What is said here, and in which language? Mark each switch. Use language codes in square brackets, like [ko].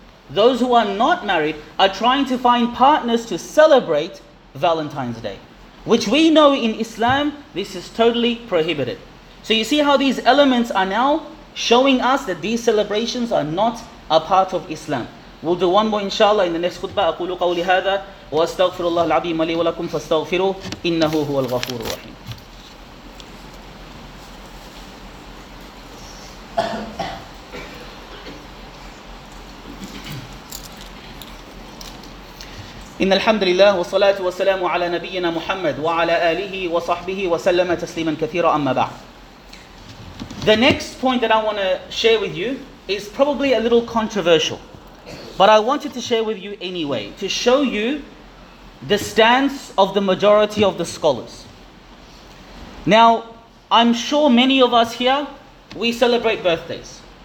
[en] Those who are not married are trying to find partners to celebrate Valentine's Day, which we know in Islam, this is totally prohibited. So you see how these elements are now showing us that these celebrations are not a part of Islam. We'll do one more inshallah in the next khutbah. [ar] أقول قولي هذا وأستغفر الله العظيم لي ولكم فاستغفروا إنه هو الغفور الرحيم. إن الحمد لله والصلاة والسلام على نبينا محمد وعلى آله وصحبه وسلم تسليما كثيرا أما بعد. [en] The next point that I want to share with you is probably a little controversial, but I wanted to share with you anyway to show you the stance of the majority of the scholars. Now, I'm sure many of us here, we celebrate birthdays.